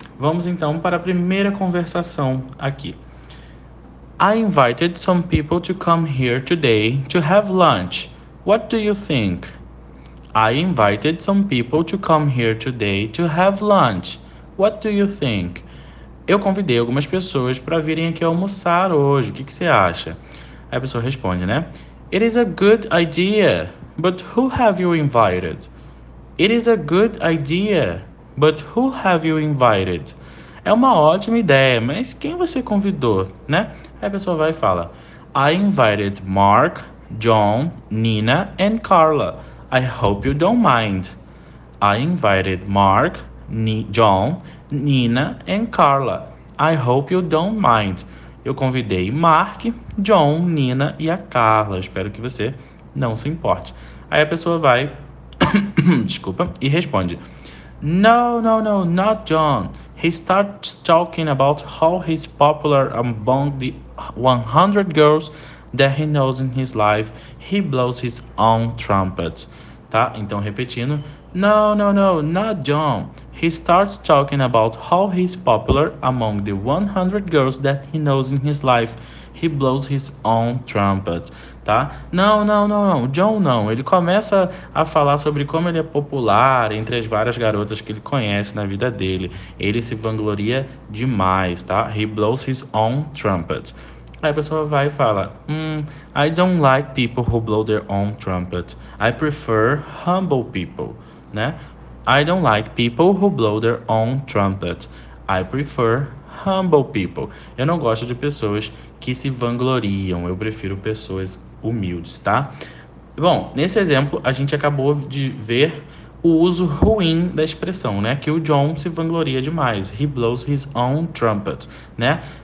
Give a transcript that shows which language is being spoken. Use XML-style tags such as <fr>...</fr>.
<pt>Vamos então para a primeira conversação aqui.</pt> <en>I invited some people to come here today to have lunch. What do you think? I invited some people to come here today to have lunch. What do you think?</en> <pt>Eu convidei algumas pessoas para virem aqui almoçar hoje. O que que você acha? Aí a pessoa responde, né?</pt> <en>It is a good idea, but who have you invited? It is a good idea, but who have you invited?</en> <pt>É uma ótima ideia, mas quem você convidou, né? Aí a pessoa vai e fala:</pt> <en>I invited Mark, John, Nina and Carla. I hope you don't mind. I invited Mark, John, Nina and Carla. I hope you don't mind.</en> <pt>Eu convidei Mark, John, Nina e a Carla. Espero que você não se importe. Aí a pessoa vai, desculpa, e responde:</pt> <en>No, no, no, not John. He starts talking about how he's popular among the 100 girls that he knows in his life. He blows his own trumpet.</en> <pt>Tá? Então, repetindo,</pt> <en>no, no, no, not John. He starts talking about how he's popular among the 100 girls that he knows in his life. He blows his own trumpet.</en> <pt>Tá? Não, não, não, não, John não. Ele começa a falar sobre como ele é popular entre as várias garotas que ele conhece na vida dele. Ele se vangloria demais, tá?</pt> <en>He blows his own trumpet.</en> <pt>Aí a pessoa vai e fala:</pt> <en>I don't like people who blow their own trumpet. I prefer humble people, né? I don't like people who blow their own trumpet. I prefer humble people.</en> <pt>Eu não gosto de pessoas que se vangloriam. Eu prefiro pessoas humildes, tá? Bom, nesse exemplo, a gente acabou de ver o uso ruim da expressão, né? Que o John se vangloria demais.</pt> <en>He blows his own trumpet,</en> <pt>né?</pt>